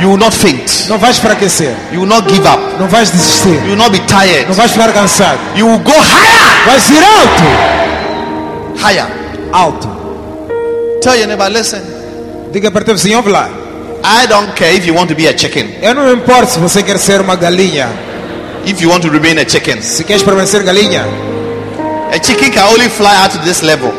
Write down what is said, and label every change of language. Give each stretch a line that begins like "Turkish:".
English: You will not faint.
Portuguese: Não vais fraquecer.
English: You will not give up.
Portuguese: Não vais desistir.
English: You will not be tired.
Portuguese: Não vais ficar cansado.
English: You will go higher.
Portuguese: Vais ir alto.
English: Higher.
Portuguese: Alto.
English: Tell your neighbor, listen.
Portuguese: Diga para o teu vizinho, lá.
English: I don't care if you want to be a chicken.
Portuguese: Eu não importo se você quer ser uma galinha.
English: If you want to remain a chicken.
Portuguese: Se queres permanecer galinha.
English: A chicken can only fly out to this level.